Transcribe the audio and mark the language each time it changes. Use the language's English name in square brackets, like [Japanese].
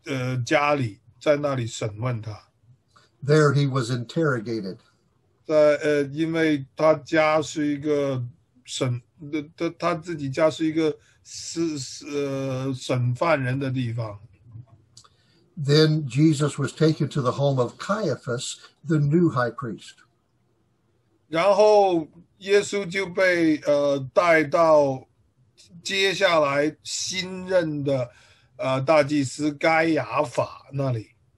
[Chinese] 他们抓到了耶稣基督，就带他到当时的大祭司亚拿的家里，在那里审问他。 [English] There he was interrogated. [Chinese] 因为他自己家是一个审犯人的地方。 [English] Then Jesus was taken to the home of Caiaphas, the new high priest. [Chinese] 然后耶稣就被带到接下来新任的大祭司该亚法那里。